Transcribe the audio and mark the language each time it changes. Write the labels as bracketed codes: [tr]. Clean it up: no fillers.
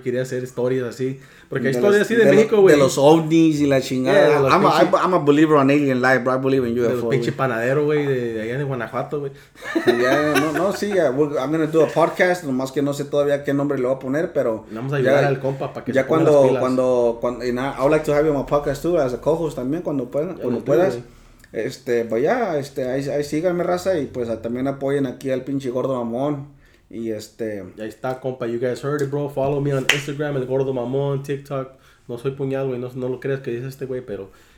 [es] Quería hacer historias así. Porque hay historias así de México, güey. De los ovnis y la chingada. [en] I'm a believer on alien life, bro. I believe in UFO. [es] De los pinche panadero, güey. De allá de Guanajuato, güey. [en] I'm gonna do a podcast. [es] Nomás que no sé todavía qué nombre le voy a poner, pero vamos a ayudar al compa para que ya se ponga las pilas. [en] I would like to have you on my podcast too. As a co-host [es] también, cuando puedas. Ahí síganme, raza. Y pues también apoyen aquí al pinche gordo mamón. Y ahí está, compa. [en] You guys heard it, bro. Follow me on Instagram, el gordo mamón, TikTok. [es] No soy puñal, güey. No lo creas que dice este güey, pero.